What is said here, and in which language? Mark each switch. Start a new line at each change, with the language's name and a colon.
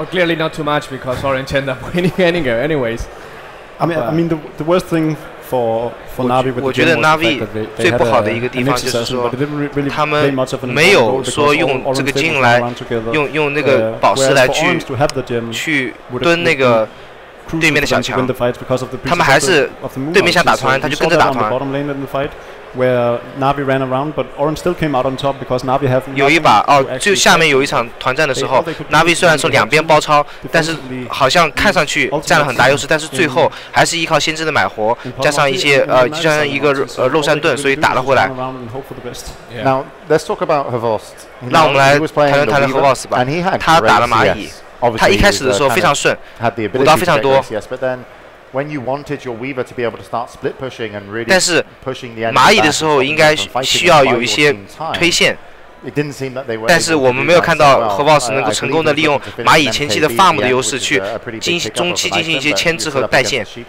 English: Well, clearly not too much because Orange ended up winning anyway. Anyways, I mean the worst thing. For Navi with
Chinese: 我觉得 Navi 最不好的一个地方就是说，他们没有说用这个金来用那个宝石来去蹲那个对面的小强，他们还是对面想打团，他就跟着打团。
English: Where Navi ran around, but Orange still came out on top because Navi have.
Chinese: 有一把哦，就下面有一场团战的时候 ，Navi 虽然说两边包抄，但是好像看上去占了很大优势，但是最后还是依靠先知的买活，加上一些加上一个肉山盾，所以打了回来。
English: Now let's talk about Havas.
Chinese: 那我们来谈 Havas 吧。他打了蚂蚁，他一开始的时候非常顺，舞刀非常多。
English: When you wanted your Weaver to be able to start split pushing and really
Chinese: 但是蚂蚁的时候应该需要有一些推线，但是我们没有看到 Havas 能够成功的利用蚂蚁前期的 farm 的优势去中期进行一些牵制和带线。